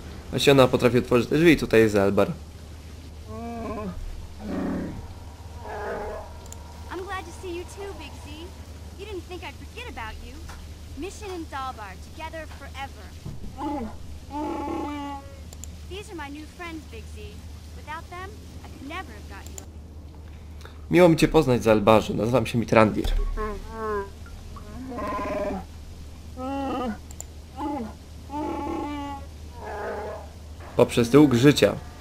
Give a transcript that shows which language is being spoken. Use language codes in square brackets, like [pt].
[pl] Właśnie ona potrafi otworzyć drzwi i tutaj jest Albar. [en] I'm glad to see you too, Big Z. You didn't think I'd forget about you. Mission and Zalbar, together forever. These are my new friends, Big Z. Without them, I could never have got you. [pl] Miło mi cię poznać, Zalbarze. Nazywam się Mitrandir. Poprzez dług życia.